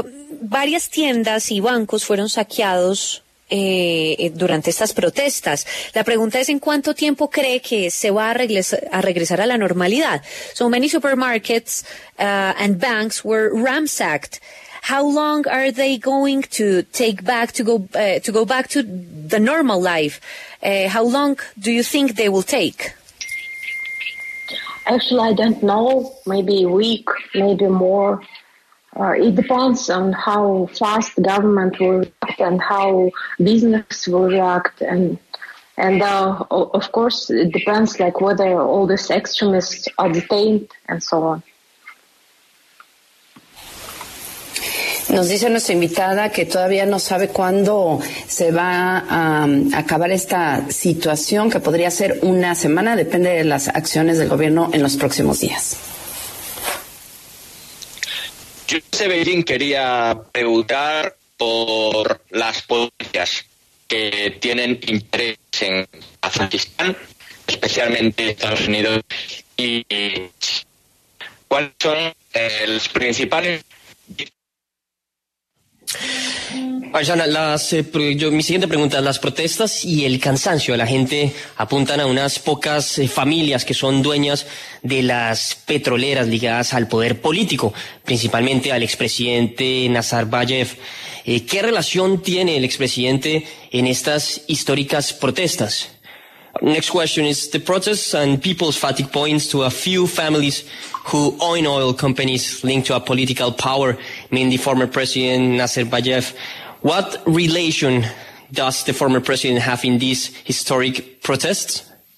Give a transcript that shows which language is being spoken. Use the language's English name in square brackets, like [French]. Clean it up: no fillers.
[Spanish] varias tiendas y bancos fueron saqueados durante estas protestas. La pregunta es, ¿en cuánto tiempo cree que se va a regresar a la normalidad? [English] So many supermarkets and banks were ransacked. How long are they going to take back to go back to the normal life? How long do you think they will take? Actually, I don't know. Maybe a week, maybe more. It depends on how fast the government will react and how business will react. And of course, it depends like whether all these extremists are detained and so on. [Spanish] Nos dice nuestra invitada que todavía no sabe cuándo se va a acabar esta situación, que podría ser una semana, depende de las acciones del gobierno en los próximos días. Yo, Sebellín, quería preguntar por las potencias que tienen interés en Afganistán, especialmente Estados Unidos, y cuáles son las principales. Arjana, mi siguiente pregunta es, las protestas y el cansancio de la gente apuntan a unas pocas familias que son dueñas de las petroleras ligadas al poder político, principalmente al expresidente Nazarbayev. ¿Qué relación tiene el expresidente en estas históricas protestas? [English] Next question is, the protests and people's fatigue points to a few families who own oil companies linked to a political power, mean the former president Nazarbayev. What relation does the former president have in these historic protests?